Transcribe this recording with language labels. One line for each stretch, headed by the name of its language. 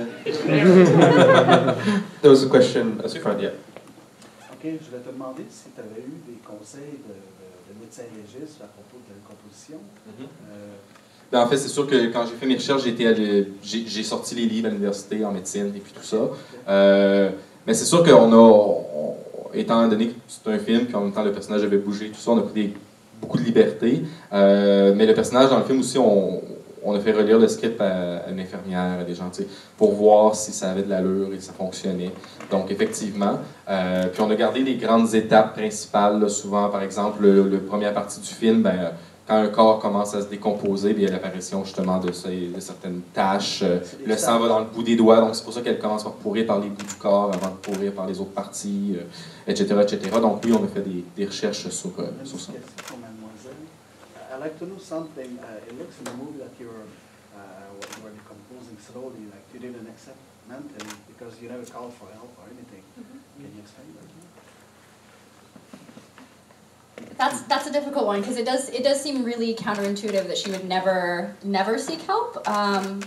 English: There was a question as a friend. Yeah.
French: Okay, je vais te demander si tu avais eu des conseils de médecin légiste à propos de la composition. Mm-hmm. Ben, en fait, c'est sûr que quand j'ai fait mes recherches, j'ai sorti les livres à l'université en médecine et puis tout ça. Mais c'est sûr qu'on a, étant donné que c'est un film, puis en même temps le personnage avait bougé et tout ça, on a pris beaucoup de liberté. Mais le personnage dans le film aussi, on a fait relire le script à une infirmière, à des gens, tu sais, pour voir si ça avait de l'allure et si ça fonctionnait. Donc, effectivement. Puis on a gardé les grandes étapes principales, là, souvent, par exemple, le première partie du film, ben, quand un corps commence à se décomposer, il y a l'apparition justement de certaines taches. Le sang va dans le bout des doigts, donc c'est pour ça qu'elle commence par pourrir par les bouts du corps avant de pourrir par les autres parties, etc., etc. Donc oui, on a fait des recherches sur ça.
English: I'd like to know something. It looks in the movie that you're decomposing slowly, like you didn't accept mentally because you never called for help or anything. Mm-hmm. Can you explain that? That's a difficult one because it does seem really counterintuitive that she would never seek help. Yeah.